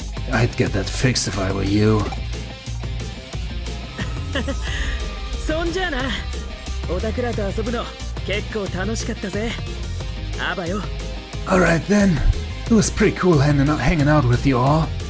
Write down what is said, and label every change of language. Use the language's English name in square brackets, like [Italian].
[English] I'd get that fixed if I were you. [Japanese] そんじゃな。オタクらと遊ぶの結構楽しかったぜ。アバよ。 [English] Alright then. It was pretty cool hanging out with you all.